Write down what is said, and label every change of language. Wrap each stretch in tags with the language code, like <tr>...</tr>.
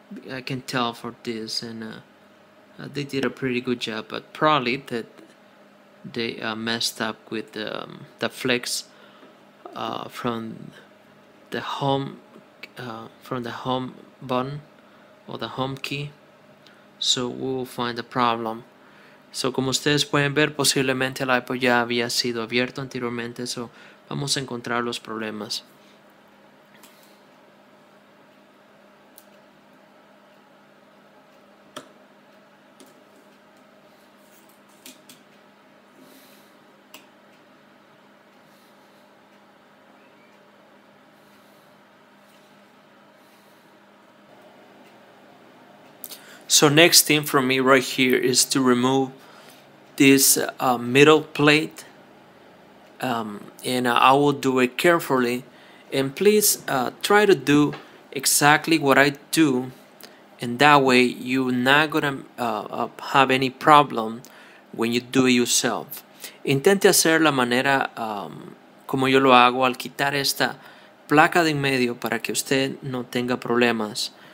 <en>I can tell for this, and they did a pretty good job, but probably that they messed up with the flex from the home button or the home key. So we'll find the problem.</en> <es>So, como ustedes pueden ver, posiblemente el iPod ya había sido abierto anteriormente, so vamos a encontrar los problemas.</es> <en>So next thing for me right here is to remove this middle plate, and I will do it carefully. And please try to do exactly what I do, and that way you're not gonna have any problem when you do it yourself.</en> <es>Intente hacer la manera como yo lo hago al quitar esta placa de en medio para que usted no tenga problemas.</es>